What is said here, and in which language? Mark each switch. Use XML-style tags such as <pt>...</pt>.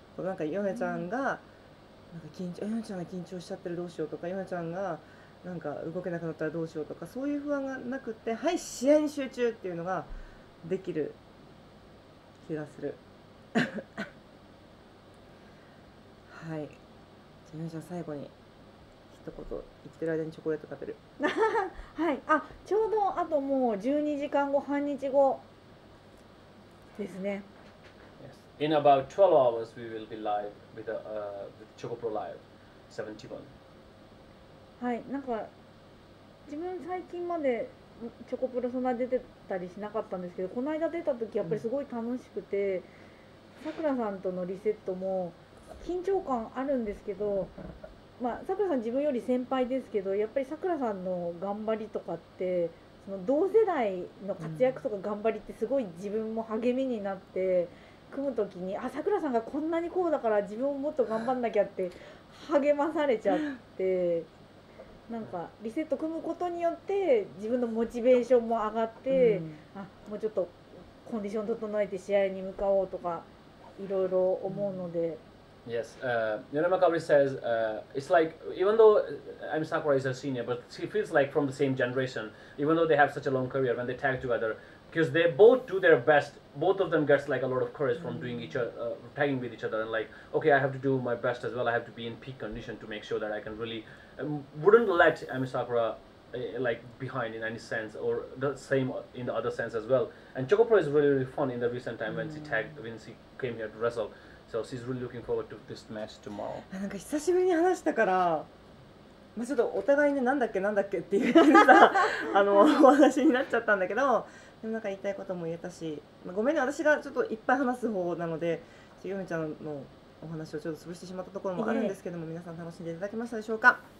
<ja>こうなんかヨネちゃんがなんか緊張、ヨネちゃんが緊張しちゃってるどうしようとか、ヨネちゃんがなんか動けなくなったらどうしようとか、そういう不安がなくて、はい試合に集中っていうのができる気がする。はい、じゃあヨネちゃん最後に一言、生きてる間にチョコレート食べる。はい、あちょうどあともう12時間後、半日後ですね。</ja> <en>In about 12 hours, we will be live with with Choco Pro Live 71.</en> <ja>はい、なんか自分最近までチョコプロそんな出てたりしなかったんですけど、この間出た時やっぱりすごい楽しくて、さくらさんとのリセットも緊張感あるんですけど、まあさくらさん自分より先輩ですけど、やっぱりさくらさんの頑張りとかって、その同世代の活躍とか頑張りってすごい自分も励みになって。組むときに、あ、さくらさんがこんなにこうだから自分ももっと頑張んなきゃって励まされちゃって、なんかリセット組むことによって自分のモチベーションも上がって、うん、あ、もうちょっとコンディション整えて試合に向かおうとかいろいろ思うので、うん、</ja> <en>Yes, Yonemakaori says, it's like, even though I'm Sakura is a senior, but she feels like from the same generation, even though they have such a long career when they tag together,Because they both do their best. Both of them gets like a lot of courage from doing each other, tagging with each other, and like, okay, I have to do my best as well. I have to be in peak condition to make sure that I can really, wouldn't let Ami Sakura, like behind in any sense, or the same in the other sense as well. And Choco Pro is really, really fun in the recent time when she tagged, when she came here to wrestle. So she's really looking forward to this match tomorrow.</en> <ja>なんか久しぶりに話したから、まあちょっとお互いね、なんだっけなんだっけっていうさ、あの話になっちゃったんだけど。でもなんか言いたいことも言えたし、まあ、ごめんね、私がちょっといっぱい話す方なので、ヨネちゃんのお話をちょっと潰してしまったところもあるんですけども、皆さん楽しんでいただけましたでしょうか。</ja>